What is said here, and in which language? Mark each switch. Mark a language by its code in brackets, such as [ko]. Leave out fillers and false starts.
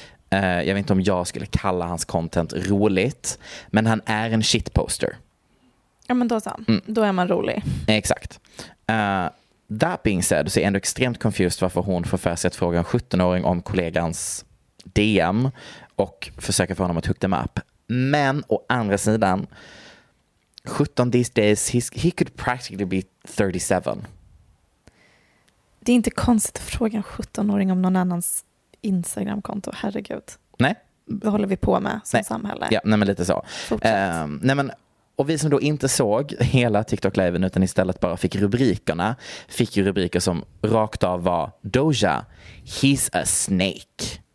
[sv] Jag vet inte om jag skulle kalla hans content roligt. Men han är en shitposter. Ja, men då så. Mm. Då är man rolig. Exakt. [en] That being said, [sv] så är jag ändå extremt confused varför hon får för sig att fråga en 17-åring om kollegans DM och försöka få honom att [en] hook them up. [sv] Men å andra sidan, [en] 17 these days, he could practically be 37. [sv] Det är inte konstigt att fråga en 17-åring om någon annans Instagram-konto, herregud. Nej. Vad håller vi på med som nej. Samhälle? Ja, nej, men lite så. Nej, men och vi som då inte såg hela TikTok-liven utan istället bara fick rubrikerna, fick ju rubriker som rakt av var Doja, [en] he's a snake.